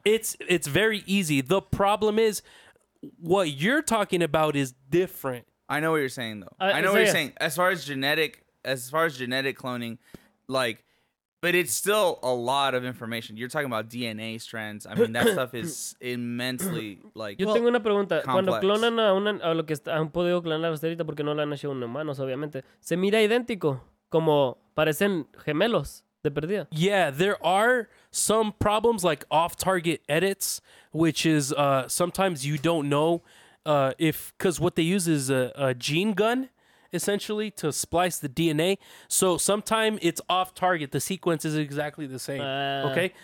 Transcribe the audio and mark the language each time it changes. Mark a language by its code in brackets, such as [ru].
[en] It's very easy. The problem is what you're talking about is different. I know what you're saying, though. I know what you're saying. As far as genetic cloning, like, but it's still a lot of information. You're talking about DNA strands. I mean, that stuff is immensely, like, [es] complex. Yo tengo una pregunta. Cuando clonan a lo que han podido clonar hasta ahorita, porque no lo han hecho en humanos, obviamente, se mira idéntico, como parecen gemelos de perdida. [en] Yeah, there are some problems, like off-target edits, which is sometimes you don't know. Because what they use is a gene gun, essentially, to splice the DNA. So sometimes it's off target. The sequence is exactly the same. Okay.